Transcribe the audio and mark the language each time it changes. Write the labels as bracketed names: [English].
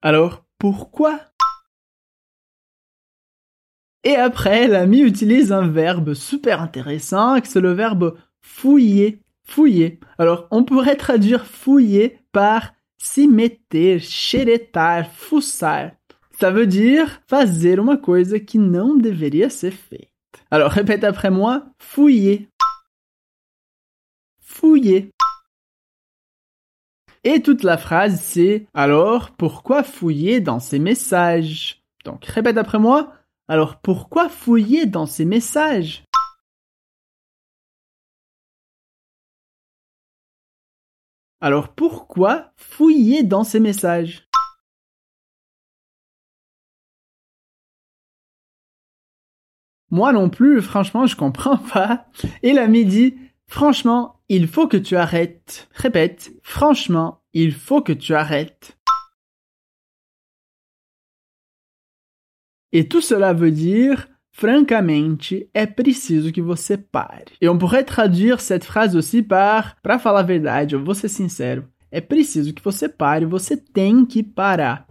[French] Alors pourquoi ? Et après, l'ami utilise un verbe super intéressant, c'est le verbe « fouiller ». Fouiller. Alors, on pourrait traduire « fouiller » par « [Portuguese] se meter, xeretar, fuçar ». [French] Ça veut dire [Portuguese] fazer uma coisa que não deveria ser feita. [French] Alors, répète après moi, fouiller. Fouiller. Et toute la phrase, c'est « Alors, pourquoi fouiller dans ces messages ?» Donc, répète après moi. « Alors, pourquoi fouiller dans ces messages ?» Alors, pourquoi fouiller dans ces messages ? Moi non plus, franchement, je comprends pas. Et l'ami dit « Franchement, il faut que tu arrêtes. » Répète « Franchement. » Il faut que tu arrêtes. Et tout cela veut dire [Portuguese] francamente, é preciso que você pare. [French] Et on pourrait traduire cette phrase aussi par [Portuguese] pra falar a verdade, eu vou ser sincero. É preciso que você pare, você tem que parar.